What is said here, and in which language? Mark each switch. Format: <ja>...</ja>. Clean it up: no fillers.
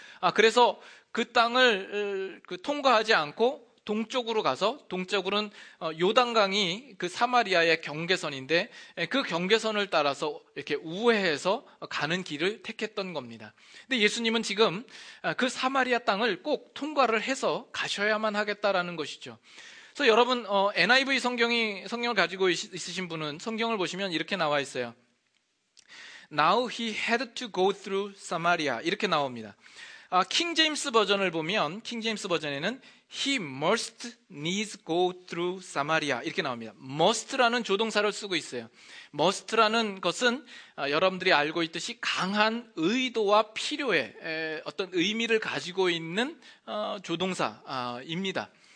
<ko>아, 그래서 그 땅을 통과하지 않고 동쪽으로 가서, 동쪽으로는 요단강이 그 사마리아의 경계선인데, 그 경계선을 따라서 이렇게 우회해서 가는 길을 택했던 겁니다. 근데 예수님은 지금 그 사마리아 땅을 꼭 통과를 해서 가셔야만 하겠다라는 것이죠. 그래서 여러분, NIV 성경을 가지고 있으신 분은 성경을 보시면 이렇게 나와 있어요.</ko> <en>Now he had to go through Samaria.</en> <ko>이렇게 나옵니다. 아, 킹제임스 버전을 보면, 킹제임스 버전에는</ko> <en>He must needs go through Samaria</en> <ko>이렇게 나옵니다. must라는 조동사를 쓰고 있어요. must라는 것은 여러분들이 알고 있듯이 강한 의도와 필요의 어떤 의미를 가지고 있는 조동사입니다.</ko>